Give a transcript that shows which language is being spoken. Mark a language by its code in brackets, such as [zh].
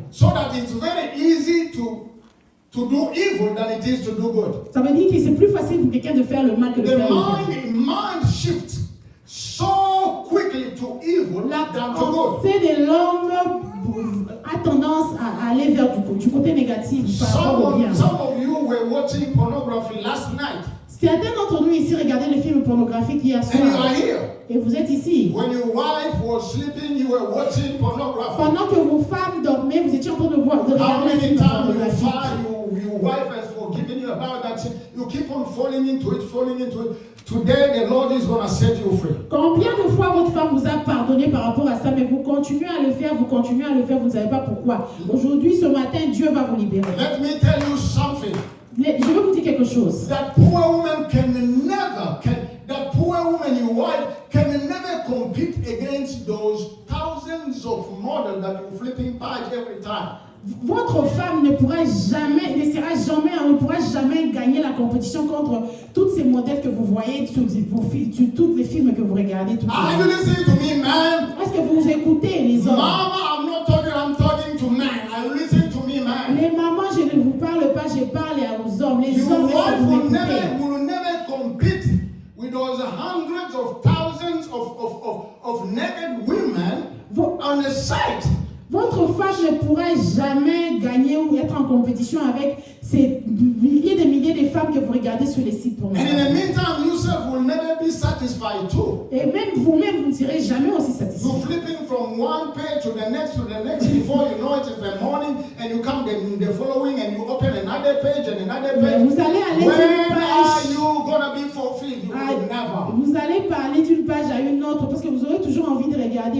[en] So that it's very easy to do evil than it is to do good. [fr] Ça veut dire que c'est plus facile pour quelqu'un de faire le mal que de faire le bien. [en] Mind shift so quickly to evil than to good. [fr] C'est de l'homme a tendance à aller vers du côté négatif par rapport au bien. [en] Some of you were watching pornography last night. [fr] Certains d'entre nous ici regardaient les films pornographiques hier soir. [en] And you are here. [fr] Et vous êtes ici. [en] When your wife was sleeping, you were watching pornography. [fr] Pendant que vos femmes dormaient, vous étiez en train de voir de regarder les films pornographiques. [en] How many times your wife has forgiven you about that sin? You keep on falling into it. Today the Lord is going to set you free. [fr] Combien de fois votre femme vous a pardonné par rapport à ça, mais vous continuez à le faire, vous ne savez pas pourquoi. Aujourd'hui, ce matin, Dieu va vous libérer. [en] Let me tell you something. [fr] Je veux vous dire quelque chose. [en] That poor woman can never, your wife, can never compete against those thousands of models that you're flipping by every time. [fr] Votre femme ne pourra jamais gagner la compétition contre toutes ces modèles que vous voyez, tous les films que vous regardez. [en] Are you listening to me, man? [fr] Est-ce que vous écoutez les hommes? [en] Mama, I'm not talking, I'm talking to men. Are you listening to me, man? [fr] Les mamans, je ne vous parle pas, je parle aux hommes. Les hommes, [en] your wife will never compete with those hundreds of thousands of naked women on the site. [fr] Votre femme ne pourra jamais gagner ou être en compétition avec ces milliers de femmes que vous regardez sur les sites pour [en] moi. And in the meantime, yourself will never be satisfied too. [fr] Et même vous ne serez jamais aussi satisfait. [en] You're flipping from one page to the next before you know it is the morning and you come the following and you open another page and another page. [fr] Vous allez aller d'une page. [en] Where are you gonna be fulfilled? You will never. [fr] Vous allez parler d'une page à une autre parce que vous aurez toujours envie de regarder.